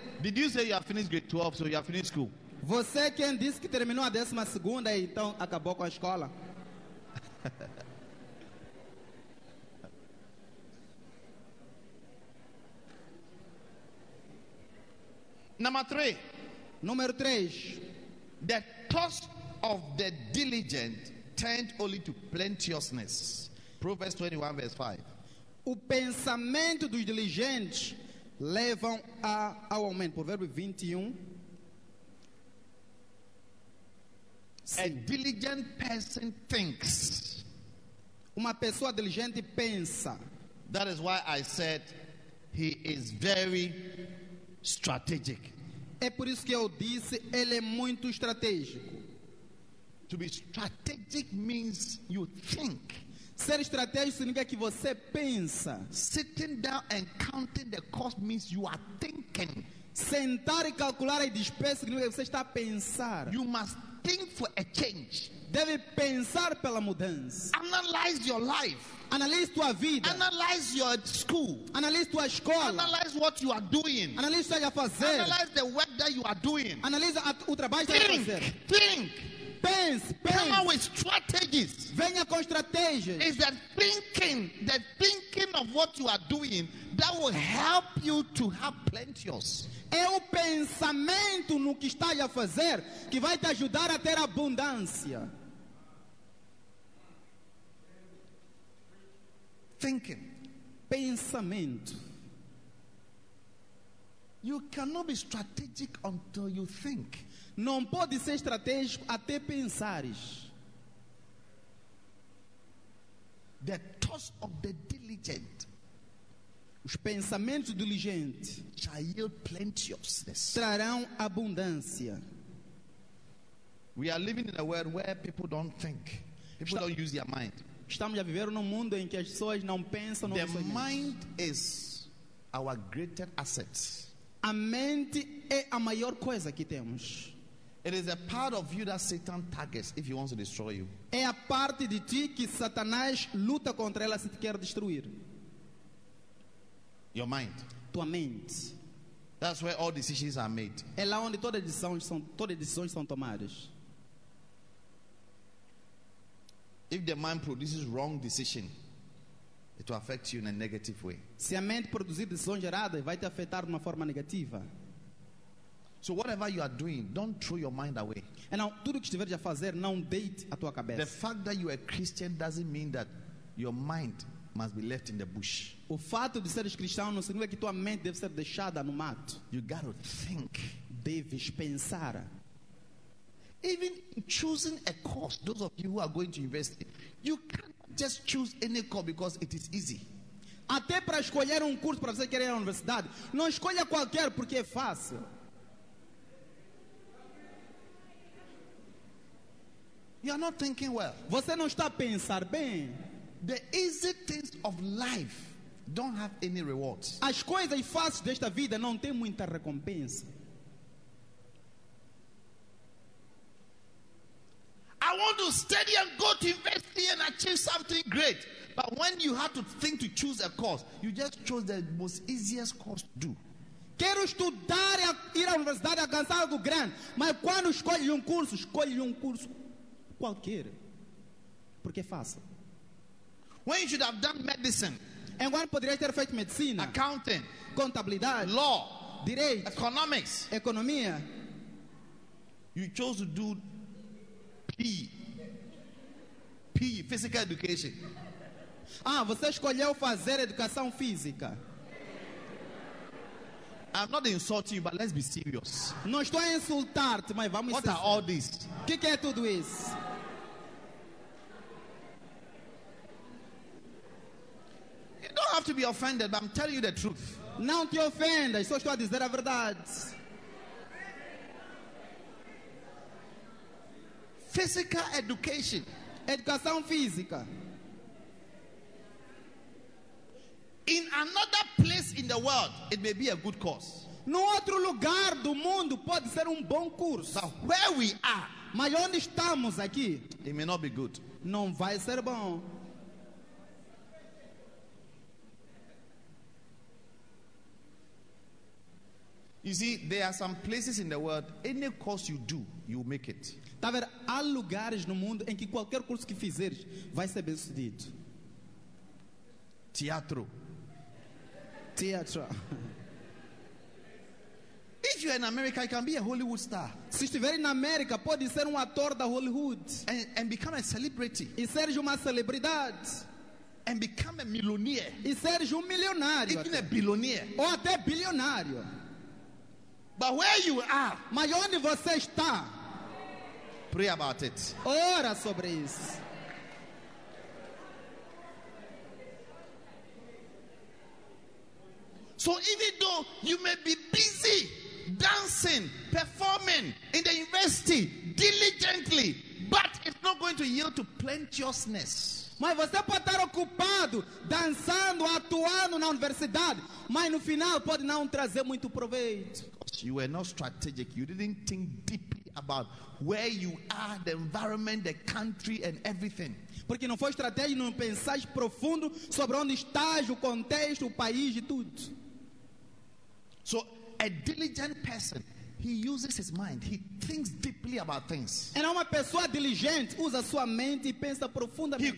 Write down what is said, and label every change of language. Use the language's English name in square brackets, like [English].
[English] Did you say you have finished grade 12, so you have finished school? [Portuguese] Você quem disse que terminou a décima segunda e então acabou com a escola? Número 3. [English] The thought of the diligent turned only to plenteousness. Proverbs 21 verse 5. [Portuguese] O pensamento dos diligentes levam ao aumento. Provérbio 21. [English] A diligent person thinks. [Portuguese] Uma pessoa diligente pensa. [English] That is why I said he is very strategic. [Portuguese] É por isso que eu disse ele é muito estratégico. [English] To be strategic means you think. [Portuguese] Ser estratégico significa que você pensa. [English] Sitting down and counting the cost means you are thinking. [Portuguese] Sentar e calcular a despesa significa que você está a pensar. [English] You must think for a change. [Portuguese] Deve pensar pela mudança. [English] Analyze your life. [Portuguese] Analyse tua vida. [English] Analyze your school. [Portuguese] Analyse tua escola. [English] Analyze what you are doing. [Portuguese] Analyse o que está a fazer. [English] Analyse the work that you are doing. [Portuguese] Analyse o trabalho que está a fazer. [English] Think. [Portuguese] Pense, pense. [English] Come up with strategies. [Portuguese] Venha com estratégias. [English] Is that thinking of what you are doing that will help you to have plenteous? [Portuguese] É o pensamento no que está a fazer que vai te ajudar a ter abundância. [English] Thinking. [Portuguese] Pensamento. [English] You cannot be strategic until you think. [Portuguese] Não pode ser estratégico até pensares. [English] The thoughts of the diligent. [Portuguese] Os pensamentos diligentes [English] shall yield plenteousness. [Portuguese] Trarão abundância. [English] We are living in a world where people don't think. People don't use their mind. [Portuguese] Estamos a viver num mundo em que as pessoas não pensam. [English] The mind is our greatest asset. [Portuguese] A mente é a maior coisa que temos. [English] It is a part of you that Satan targets if he wants to destroy you. [Portuguese] É a parte de ti que Satanás luta contra ela se te quer destruir. [English] Your mind. [Portuguese] Tua mente. [English] That's where all decisions are made. [Portuguese] É lá onde todas as decisões são tomadas. [English] If the mind produces wrong decision, it will affect you in a negative way. [Portuguese] Se a mente produzir decisões erradas, vai te afetar de uma forma negativa. [English] So whatever you are doing, don't throw your mind away. [Portuguese] E não, tudo que estiveres a fazer, não deite a tua cabeça. [English] The fact that you are Christian doesn't mean that your mind must be left in the bush. [Portuguese] O fato de seres cristão não significa que tua mente deve ser deixada no mato. [English] You got to think. [Portuguese] Deves pensar. [English] Even choosing a course, those of you who are going to university, you can't just choose any course because it is easy. [Portuguese] Até para escolher curso para você querer ir à universidade, não escolha qualquer porque é fácil. [English] You are not thinking well. [Portuguese] Você não está a pensar bem. [English] The easy things of life don't have any rewards. [Portuguese] As coisas fáceis desta vida não têm muita recompensa. [English] I want to study and go to university and achieve something great. But when you have to think to choose a course, you just chose the most easiest course to do. [Portuguese] Quero estudar e ir à universidade e alcançar algo grande. Mas quando escolhe curso, escolhe curso qualquer. Porque é fácil. [English] When you should have done medicine. [Portuguese] And quando poderias ter feito medicina. [English] Accounting. [Portuguese] Contabilidade. [English] Law. [Portuguese] Direito. [English] Economics. [Portuguese] Economia. [English] You chose to do P. Physical education. [Portuguese] Ah, você escolheu fazer educação física. [English] I'm not insulting you, but let's be serious. [Portuguese] Não estou a insultar-te, mas vamos [English] ser. What are all this? [Portuguese] Que é tudo isso? [English] You don't have to be offended, but I'm telling you the truth. [Portuguese] Não te ofenda, só estou a dizer a verdade. [English] Physical education. [Portuguese] Educação física. [English] In another place in the world, it may be a good course. [Portuguese] No outro lugar do mundo pode ser bom curso. [English] But where we are, [Portuguese] mas onde estamos aqui, [English] it may not be good. [Portuguese] Não vai ser bom. [English] You see, there are some places in the world, any course you do, you make it. [Portuguese] Está a ver, há lugares no mundo em que qualquer curso que fizeres vai ser bem sucedido. Teatro. Teatro. [English] If you are in America, you can be a Hollywood star. [Portuguese] Se estiver na América, pode ser ator da Hollywood. [English] And become a celebrity. [Portuguese] E ser uma celebridade. [English] And become a millionaire. [Portuguese] E ser milionário. [English] Even a billionaire. [Portuguese] Ou até bilionário. [English] But where you are, [Portuguese] mas onde você está? [English] Pray about it. [Portuguese] Ora sobre isso. [English] So even though you may be busy dancing, performing in the university diligently, but it's not going to yield to plenteousness. [Portuguese] Mas você pode estar ocupado, dançando, atuando na universidade, mas no final pode não trazer muito proveito. [English] You were not strategic. You didn't think deeply about where you are, the environment, the country, and everything. [Portuguese] Porque não foi estratégico, não pensaste profundo sobre onde estás, o contexto, o país e tudo. [English] So, a diligent person, he uses his mind. He thinks deeply about things. [Portuguese] É uma pessoa diligente, usa sua mente e pensa profundamente.